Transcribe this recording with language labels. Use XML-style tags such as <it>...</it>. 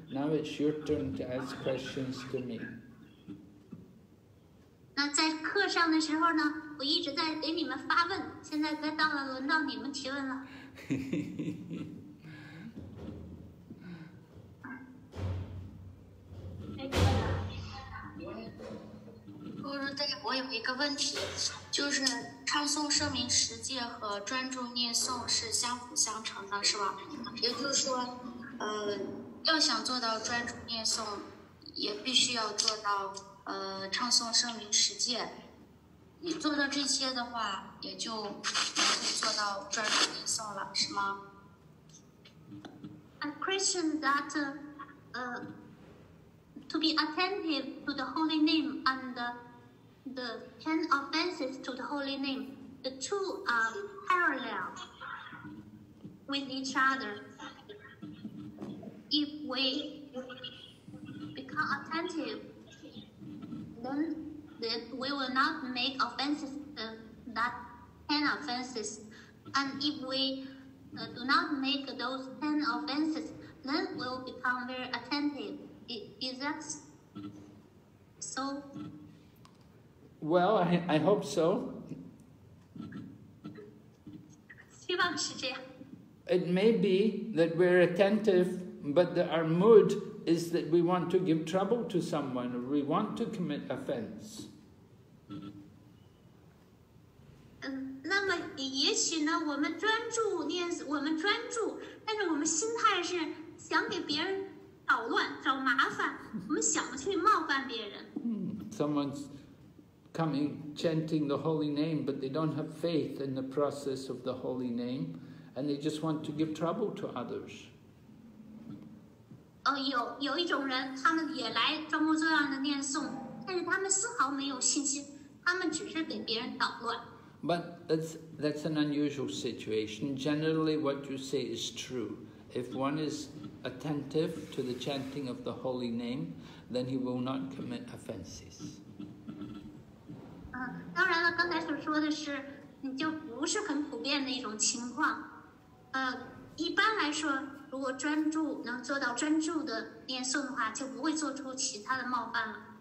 <en>Now it's your turn to ask questions to me.</en> <zh>那在课上的时候呢，我一直在给你们发问，现在该到了轮到你们提问了。哎，姑姑，对，我有一个问题，就是唱诵声名十戒和专注念诵是相辅相成的，是吧？也就是说，要想做到专注念诵，也必须要做到唱诵声名十戒。你做到这些的话，也就可以做到专注念诵了，是吗？</zh> <en>A question that, to be attentive to the holy name and the ten offenses to the holy name, the two are parallel with each other. If we become attentive, then we will not make offenses, that ten offenses. And if we do not make those ten offenses, then we'll become very attentive. Is that so? Well, I hope so.</en> <zh>希望是这样。</zh> <en>It may be that we're attentive, but that our mood is that we want to give trouble to someone, or we want to commit offense.</en> <zh>那么也许呢，我们专注念，我们专注，但是我们心态是想给别人捣乱，找麻烦，我们想去冒犯别人。</zh> <en>Someone's coming chanting the holy name, but they don't have faith in the process of the holy name, and they just want to give trouble to others.</en> <zh>Oh, 有一种人，他们也来装模作样的念诵，但是他们丝毫没有信心，他们只是给别人捣乱。</zh> <en>But that's an unusual situation. Generally, what you say is true. If one is attentive to the chanting of the holy name, then he will not commit offenses.</en> <zh>当然了，刚才所说的是，你就不是很普遍的一种情况。一般来说，如果专注能做到专注的念诵的话，就不会做出其他的冒犯了。</zh>